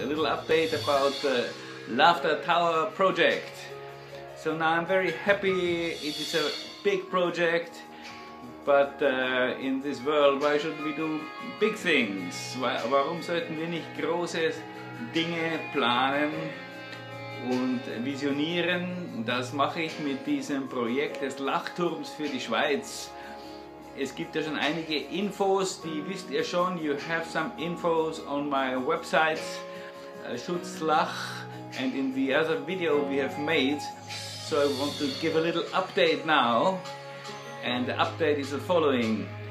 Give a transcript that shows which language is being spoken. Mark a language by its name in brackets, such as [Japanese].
[English] A little update about the Laughter Tower project. So now I'm very happy. It is a big project. But in this world, why shouldn't we do big things? [German] Warum sollten wir nicht große Dinge planen und visionieren? Das mache ich mit diesem Projekt des Lachturms für die Schweiz. Es gibt ja schon einige Infos, die wisst ihr schon. [English] You have some infos on my website, Schutzlach, and in the other video we have made. So I want to give a little update now. And the update is the following.